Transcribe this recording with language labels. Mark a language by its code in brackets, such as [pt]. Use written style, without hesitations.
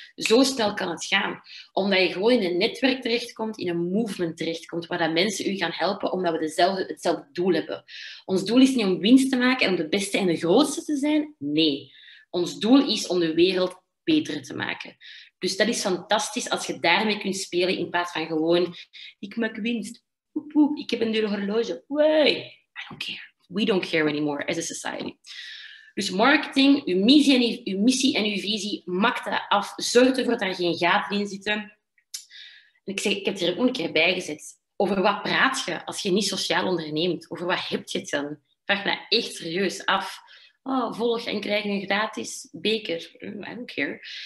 [nl] Zo snel kan het gaan. Omdat je gewoon in een netwerk terechtkomt, in een movement terechtkomt, waar dat mensen u gaan helpen, omdat we hetzelfde doel hebben. Ons doel is niet om winst te maken en om de beste en de grootste te zijn. Nee. Ons doel is om de wereld beter te maken. Dus dat is fantastisch als je daarmee kunt spelen in plaats van gewoon, ik maak winst. Oep, oep, ik heb een duur horloge. [en] Wee. I don't care. We don't care anymore as a society. [nl] Dus marketing, uw missie en uw visie, maak dat af. Zorg ervoor dat er geen gaten in zitten. En ik heb het er ook een keer bij gezet. Over wat praat je als je niet sociaal onderneemt? Over wat heb je het dan? Vraag me echt serieus af. Oh, volg en krijg een gratis beker. [en] I don't care.